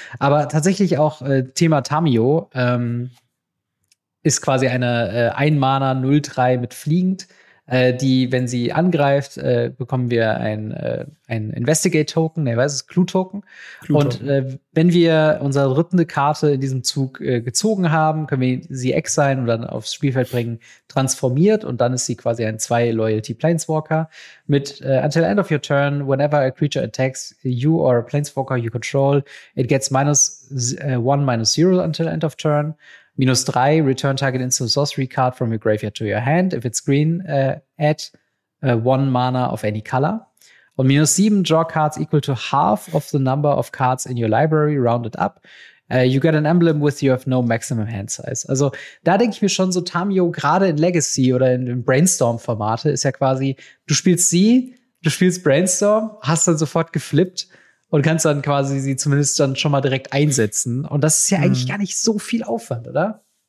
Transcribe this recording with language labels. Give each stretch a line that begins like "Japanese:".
German: Aber tatsächlich auch Thema Tamio ist quasi eine 1-Mana 0-3 mit fliegend, die, wenn sie angreift, bekommen wir ein Investigate-Token, Clue-Token. Und wenn wir unsere dritte Karte in diesem Zug gezogen haben, können wir sie exilen und dann aufs Spielfeld bringen, transformiert. Und dann ist sie quasi ein 2-Loyalty-Planeswalker.
English: Mit until end of your turn, whenever a creature attacks you or a Planeswalker you control, it gets -1/-0 until end of turn. -3, return target instant sorcery card from your graveyard to your hand. If it's green, add 1 mana of any color. Und -7, draw cards equal to half of the number of cards in your library, rounded up. You get an emblem with you have no maximum hand size.
German: Also da denke ich mir schon so, Tamio, gerade in Legacy oder in Brainstorm-Formate, ist ja quasi, du spielst sie, du spielst Brainstorm, hast dann sofort geflippt und kannst dann quasi sie zumindest dann schon mal direkt einsetzen. Und das ist ja eigentlich gar nicht so viel Aufwand, oder?